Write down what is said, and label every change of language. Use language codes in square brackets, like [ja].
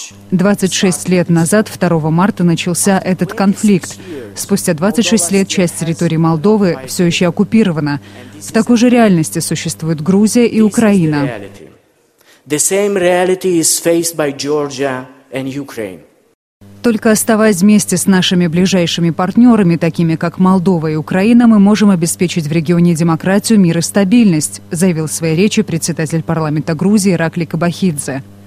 [ru] 26 лет назад, 2 марта, начался этот конфликт. Спустя 26 лет часть территории Молдовы все еще оккупирована. В такой же реальности существует Грузия и Украина. [en] The same reality is faced by Georgia and Ukraine. [ru] Только оставаясь вместе с нашими ближайшими партнерами, такими как Молдова и Украина, мы можем обеспечить в регионе демократию, мир и стабильность, заявил в своей речи председатель парламента Грузии Иракли Кабахидзе.